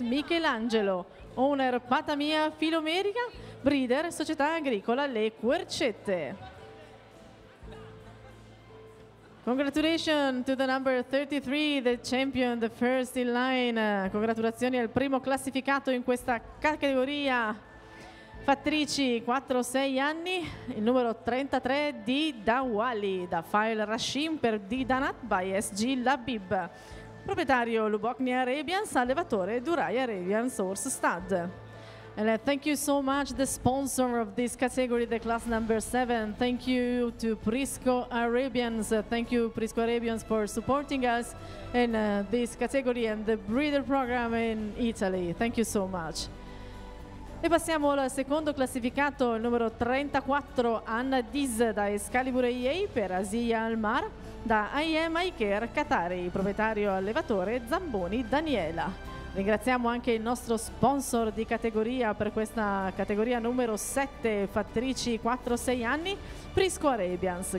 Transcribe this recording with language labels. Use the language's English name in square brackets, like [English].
[English] Michelangelo. Owner Patamia Filomerica, breeder Società Agricola Le Quercette. Congratulations to the number 33, the champion, the first in line. [Italian] Congratulazioni al primo classificato in questa categoria. Fattrici, 4-6 anni, il numero 33 di Dawali, da Fail Rashim per Di Danat by SG Labib. Proprietario Lubokni Arabians, allevatore Durai Arabian Source Stud. [English] And thank you so much, the sponsor of this category, the class number 7. Thank you to Prisco Arabians. Thank you, Prisco Arabians, for supporting us in this category and the breeder program in Italy. Thank you so much. [Italian] E passiamo al secondo classificato, il numero 34, Anna Diz, da Excalibur AA per Asia Almar, da IMI Care Qatari, proprietario allevatore Zamboni Daniela. Ringraziamo anche il nostro sponsor di categoria per questa categoria numero 7, fattrici 4-6 anni, Prisco Arabians.